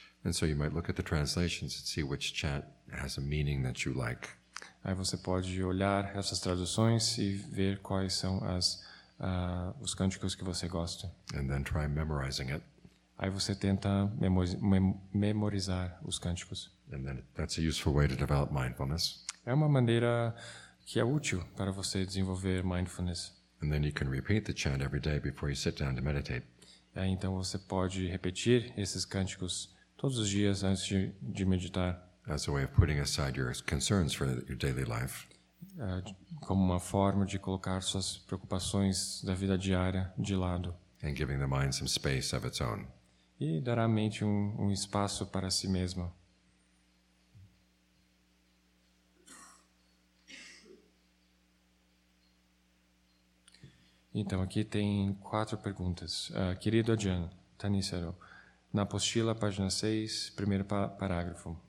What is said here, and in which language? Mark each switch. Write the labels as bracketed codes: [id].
[en] And so you might look at the translations and see which chant has a meaning that you like. [pt] Aí você pode olhar essas traduções e ver quais são os cânticos que você gosta. [en] And then try memorizing it. [pt] Aí você tenta memorizar os cânticos. [en] And then that's a useful way to develop mindfulness. [pt] É uma maneira que é útil para você desenvolver mindfulness. [en] And then you can repeat the chant every day before you sit down to meditate. [pt] Aí então você pode repetir esses cânticos todos os dias antes de meditar. [en] As a way of putting aside your concerns for your daily life. [pt] Como uma forma de colocar suas preocupações da vida diária de lado. [en] And giving the mind some space of its own. [pt] E dar à mente um espaço para si mesma. Então, aqui tem quatro perguntas. Querido Ajahn, Tanissaro, na apostila, página 6, primeiro parágrafo.